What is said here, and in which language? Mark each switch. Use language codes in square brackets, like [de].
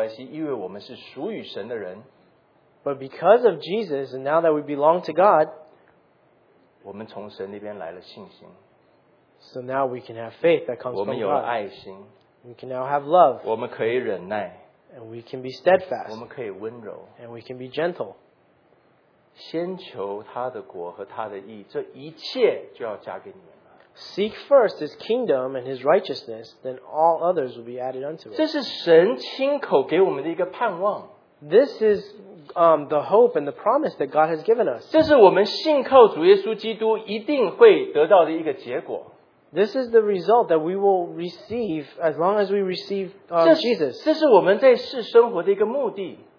[zh] 但是却因为主耶稣基督的关系,因为我们是属于神的人, [en] but because of Jesus, and now that we belong to God, [zh] 我们从神那边来了信心, [en] so now we can have faith that comes from God. [zh] 我们有了爱心, [en] we can now have love. [zh] 我们可以忍耐, [en] and we can be steadfast. [zh] 我们可以温柔, [en] and we can be gentle. [zh] 先求他的国和他的义, 这一切就要加给你们了。 [en] Seek first His kingdom and His righteousness, then all others will be added unto it. [zh] 这是神亲口给我们的一个盼望。 [en] This is the hope and the promise that God has given us. [zh] 这是我们信靠主耶稣基督一定会得到的一个结果。 [en] This is the result that we will receive as long as we receive Jesus. [zh] 这是我们在世生活的一个目的。